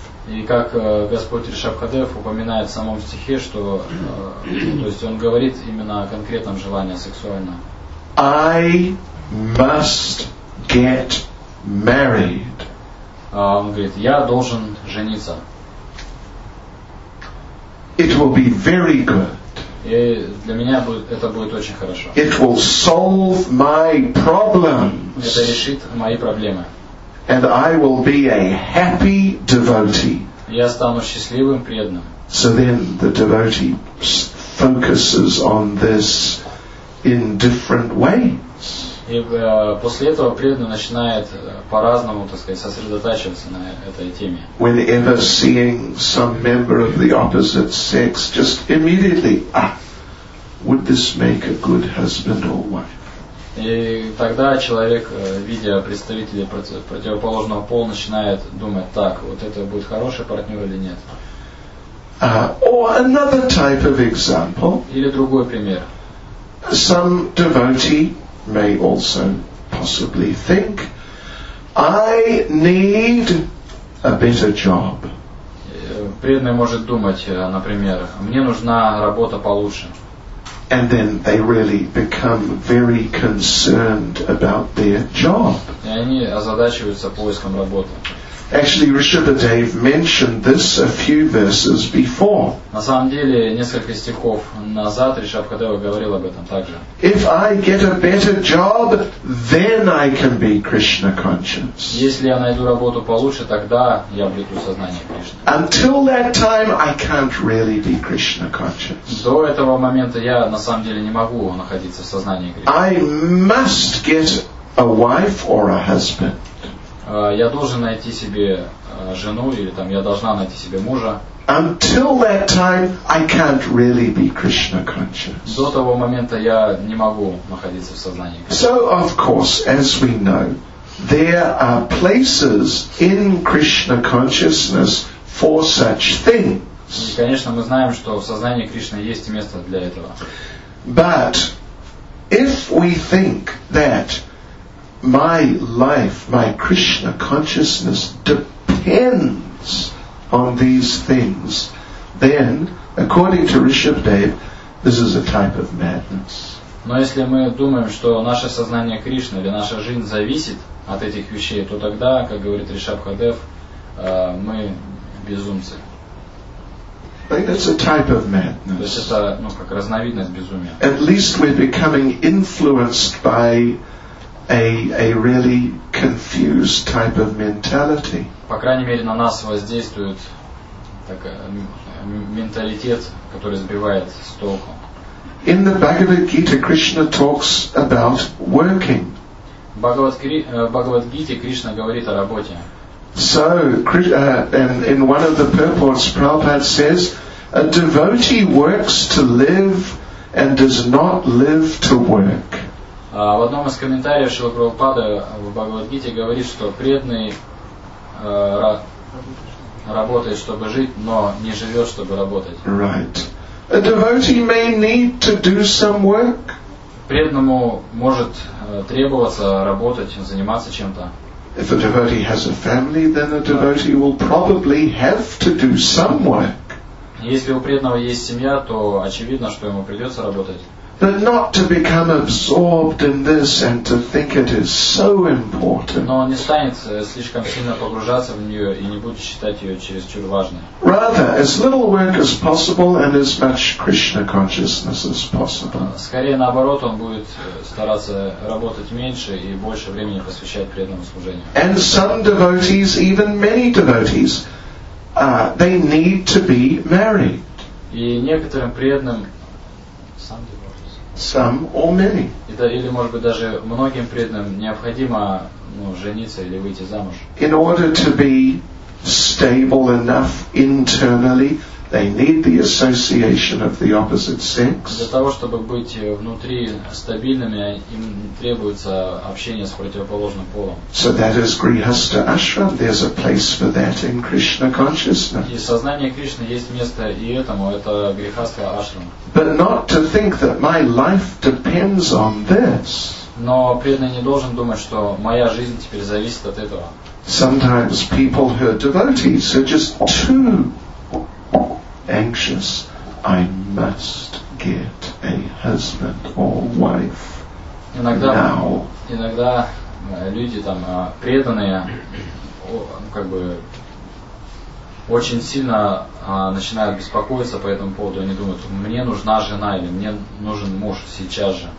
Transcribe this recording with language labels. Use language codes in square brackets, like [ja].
[ru] И как Господь Ришабхадев упоминает в самом стихе, что то есть он говорит именно о конкретном желании сексуальном. [en] I must get married. [ru] Он говорит, я должен жениться. [en] It will be very good. [ru] И для меня это будет очень хорошо. [en] It will solve my problems. [ru] Это решит мои проблемы. [en] And I will be a happy devotee. [ru] Я стану счастливым преданным. [en] So then the devotee focuses on this in different ways. [ru] И после этого преданный начинает по-разному, так сказать, сосредотачиваться на этой теме. [en] Whenever seeing some member of the opposite sex, just immediately, would this make a good husband or wife? [ru] И тогда человек, видя представителей противоположного пола, начинает думать, так, вот это будет хороший партнер или нет. [en] Or another type of example. [ru] Или другой пример. [en] Some devotee may also possibly think, I need a better job. [ru] Преданный может думать, например, мне нужна работа получше. [en] And then they really become very concerned about their job. [ru] И они озадачиваются поиском работы. [en] Actually, Rishabhadev mentioned this a few verses before. [ru] На самом деле, несколько стихов назад Ришабхадев говорил об этом также. [en] If I get a better job, then I can be Krishna conscious. [ru] Если я найду работу получше, тогда я обрету сознание Кришны. [en] Until that time, I can't really be Krishna conscious. [ru] До этого момента я на самом деле не могу находиться в сознании Кришны. [en] I must get a wife or a husband. [ru] Я должен найти себе жену или там я должна найти себе мужа. [en] Until that time, I can't really be Krishna conscious. [ru] До того момента я не могу находиться в сознании. [en] So, of course, as we know, there are places in Krishna consciousness for such things. [ru] И, конечно, мы знаем, что в сознании Кришны есть место для этого. [en] But if we think that my life, my Krishna consciousness depends on these things, then, according to Rishabhadev, this is a type of madness. [ru] Но если мы думаем, что наше сознание Кришны или наша жизнь зависит от этих вещей, то тогда, как говорит Ришабхадев, мы безумцы. [en] It's a type of madness. [ru] То есть это, ну, как разновидность безумия. [en] At least we're becoming influenced by a really confused type of mentality. [ru] По крайней мере, на нас воздействует так, менталитет, который сбивает с толку. [en] In the Bhagavad Gita, Krishna talks about working. [ru] В Bhagavad Gita Кришна говорит о работе. [en] So, and in one of the purports, Prabhupada says, a devotee works to live and does not live to work. [ru] В одном из комментариев Шрила Прабхупада в Бхагавад-гите говорит, что преданный работает, чтобы жить, но не живет, чтобы работать. [en] Right. A devotee may need to do some work. [ru] Преданному может требоваться работать, заниматься чем-то. [en] If a devotee has a family, then a devotee will probably have to do some work. [ru] Если у преданного есть семья, то очевидно, что ему придется работать. [en] But not to become absorbed in this and to think it is so important. [ru] Но он не станет слишком сильно погружаться в нее и не будет считать ее чересчур важной. [en] Rather, as little work as possible and as much Krishna consciousness as possible. [ru] Скорее наоборот, он будет стараться работать меньше и больше времени посвящать преданному служению. [en] And some devotees, even many devotees, they need to be married. [ru] И некоторым преданным [en] some or many. [ru] Это или, может быть, даже многим преданным необходимо, ну, жениться или выйти замуж. [en] In order to be stable enough internally, they need the association of the opposite sex. [ru] Для того, чтобы быть внутри стабильными, им требуется общение с противоположным полом. [en] So that is Grihastha Ashram. There's a place for that in Krishna consciousness. [ru] И сознание Кришны есть место и этому. Это Грихастха Ашрам. [en] But not to think that my life depends on this. [ru] Но преданный не должен думать, что моя жизнь теперь зависит от этого. [en] Sometimes people who are devotees are just too anxious, I must get a husband or wife [ru] иногда, [en] now. [ru] Иногда люди там преданные как бы очень сильно начинают беспокоиться по этому поводу. Они думают, мне нужна жена или мне нужен муж сейчас же.